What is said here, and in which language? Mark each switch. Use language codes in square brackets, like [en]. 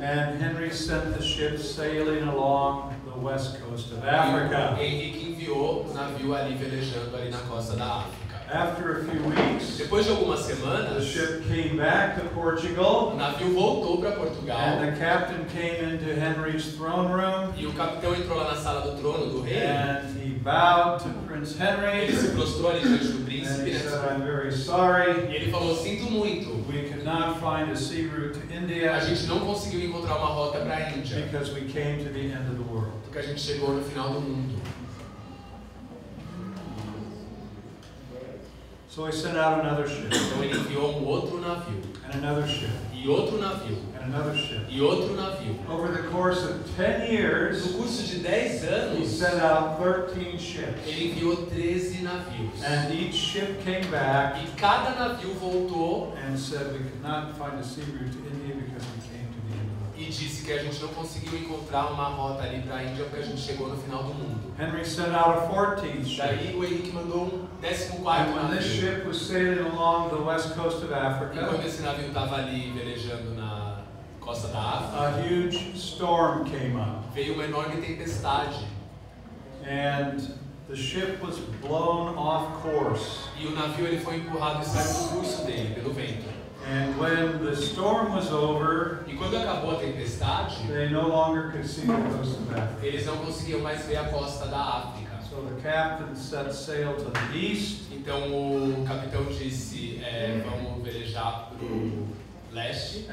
[en] And Henry sent the ship sailing along the west coast of Africa. [pt] Henrique enviou o navio ali velejando ali na costa da África. [en] After a few weeks, [pt] depois de algumas semanas, [en] the ship came back to Portugal. [pt] O navio voltou para Portugal. [en] And the captain came into Henry's throne room. [pt] E o capitão entrou lá na sala do trono do rei. [en] And he bowed to Prince Henry. [pt] Ele se prostrou ali diante do príncipe. [en] And he said, "I'm very sorry." [pt] E ele falou, sinto muito. [en] We cannot find a sea route to India. [pt] A gente não conseguiu encontrar uma rota para a Índia. [en] Because we came to the end of the world. [pt] Porque a gente chegou no final do mundo. [en] So he sent out another ship. [pt] Então ele enviou um outro navio. [en] And another ship. [pt] E outro navio. [en] And another ship. [pt] E outro navio. [en] Over the course of 10 years, [pt] no curso de 10 anos, [en] he sent out 13 ships. [pt] Ele enviou 13 navios. [en] And each ship came back. [pt] E cada navio voltou. [en] And said we could not find a sea route to India because we came to the end of the world. [pt] E disse que a gente não conseguiu encontrar uma rota ali para a Índia porque a gente chegou no final do mundo. [en] Henry sent out a 14th ship. [pt] Daí o Henrique mandou um. [en] And when this ship was sailing along the west coast of Africa, [pt] esse navio tava ali velejando na costa da África, [en] a huge storm came up. [pt] Veio uma enorme tempestade. [en] And the ship was blown off course. [pt] E o navio ele foi empurrado e saiu do curso dele pelo vento. [en] And when the storm was over, [pt] e quando acabou a tempestade, [en] they no longer could see the coast of Africa. [pt] Eles não conseguiam mais ver a costa da África. [en] So the captain set sail to the east. [pt] Então o capitão disse, vamos velejar pro leste.